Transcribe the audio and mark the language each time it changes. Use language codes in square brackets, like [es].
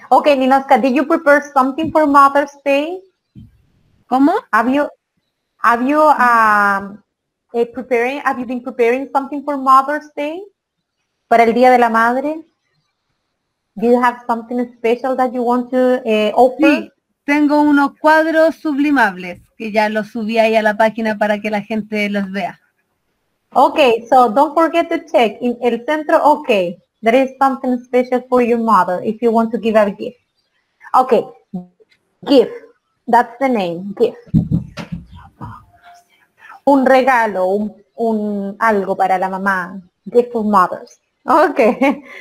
[en] Okay, Ninoska, did you prepare something for Mother's Day? [es] ¿Cómo? [en] Have you been preparing something for Mother's Day? [es] Para el Día de la Madre? [en] Do you have something special that you want to offer? [es] Sí, tengo unos cuadros sublimables que ya los subí ahí a la página para que la gente los vea. [en] Okay, so don't forget to check in el centro. Okay, there is something special for your mother if you want to give her a gift. Okay, gift. That's the name, gift. [es] Un regalo, un algo para la mamá. [en] Gift for mothers. Okay.